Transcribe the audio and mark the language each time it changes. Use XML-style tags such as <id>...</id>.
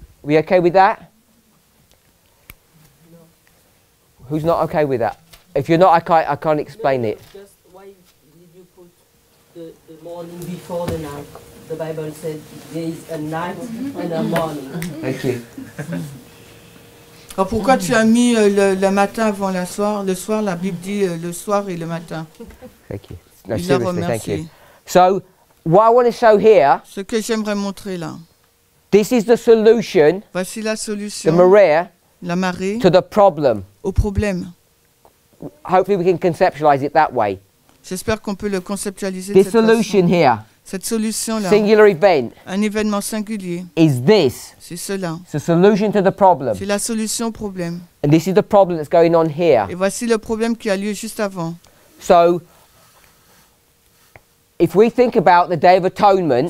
<en>We okay with that? Who's not okay with that? If you're not, I can't explain it. Just why did you put the morning before the night? The Bible said there is a night and a morning. Thank you.</en> <fr>Alors pourquoi tu as mis le matin avant la soir? Le soir, la Bible dit le soir et le matin.</fr> <en>Thank you. No, il seriously,</en> <fr>a remercié.</fr> <en>Thank you. So, what I want to show here.</en> <fr>Ce que j'aimerais montrer là.</fr> <en>This is the solution.</en> <fr>Voici la solution.</fr> <en>The marée.</en> <fr>La marée.</fr> <en>To the problem.</en> <fr>Au problème.</fr> <en>Hopefully we can conceptualize it that way.</en> <fr>J'espère qu'on peut le conceptualiser.</fr> <en>This solution</en> <fr>façon.</fr> <en>Here.</en> <fr>Cette solution là.</fr> <en>Singular event.</en> <fr>Un événement singulier.</fr> <en>Is this.</en> <fr>C'est cela.</fr> <en>It's a solution to the problem.</en> <fr>C'est la solution au problème.</fr> <en>And this is the problem that's going on here.</en> <fr>Et voici le problème qui a lieu juste avant.</fr> <en>So, if we think about the Day of Atonement,</en>